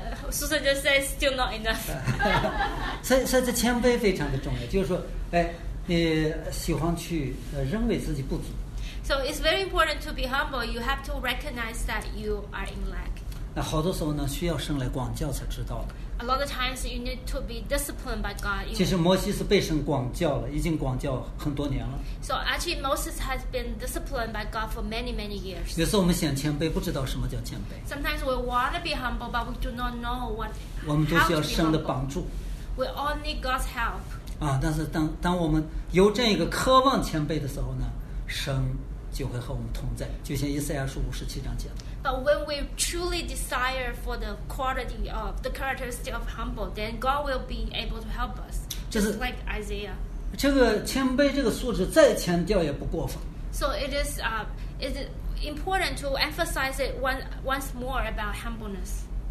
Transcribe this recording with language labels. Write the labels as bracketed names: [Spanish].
[Chinese] 苏生就 [English] say still not enough. [Chinese] 所以这谦卑非常的重要，就是说，哎，你喜欢去认为自己不足。 [English] So it's very important to be humble. You have to recognize that you are in lack. [Chinese] 那好多时候呢，需要神来管教才知道的。 [English] A lot of times you need to be disciplined by God. [Chinese] 其实摩西是被神管教了，已经管教很多年了。 [English] So actually Moses has been disciplined by God for many, many years. [Chinese] 有时候我们想谦卑，不知道什么叫谦卑。 [English] Sometimes we want to be humble, but we do not know what. [Chinese] 我们都需要神的帮助。 [English] We all need God's help. [Chinese] 啊，但是当我们有这一个渴望谦卑的时候呢，神。就会和我们同在，就像以赛亚书五十七章讲。 [English] But when we truly desire for the quality of the characteristic of humble, then God will be able to help us, just like Isaiah. [Chinese] 这个谦卑这个素质再强调也不过分。 [English] So it is is important to emphasize it once more about humbleness.